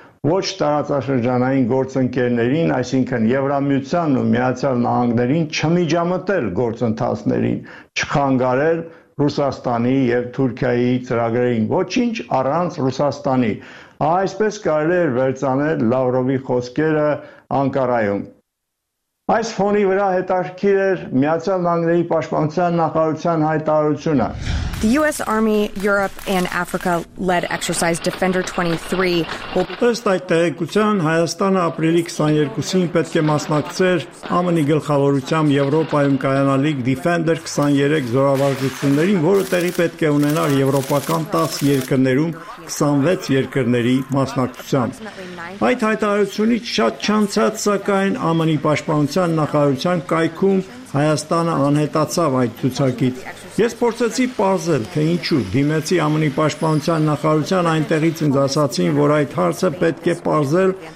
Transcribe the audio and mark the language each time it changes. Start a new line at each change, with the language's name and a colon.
Armenian: ոչ տարածաշրջանային գործընկերներին, այսինքն Եվրամիության ու Միացյալ Նահանգներին չմիջամտել գործընթացներին, չխանգարել Ռուսաստանի եւ Թուրքիայի ծրագրերին, ոչինչ առանց Ռուսաստանի։ Այսպես կարելի է վերծանել Լավրովի խոսքերը Անկարայում։ Այս ֆոնի վրա հետաքրքիր էր Միացյալ Նահանգների պաշտպանության նախարարության հայտարարությունը։
English: The US Army, Europe and Africa led exercise Defender 23.
Armenian: Ըստ այդ տեղեկության, Հայաստանը ապրիլի 22-ին պետք է մասնակցեր ԱՄՆ-ի գլխավորությամբ Եվրոպայում կայանալիք Defender 23 զորավարժություններին, որը տեղի պետք է ունենար եվրոպական 10 երկրներում 26 երկրների մասնակցությամբ։ Այդ հայտարարությունից շատ չանցած, սակայն ԱՄՆ-ի պաշտպանության նախարարության կայքում Հայաստանը անհետացավ այդ ցուցակից։ Ես փորձեցի պարզել, թե ինչու դիմեցի ԱՄՆ-ի պաշտպանության նախարարության, այնտեղից ինձ ասացին, որ այդ հարցը պետք է պարզել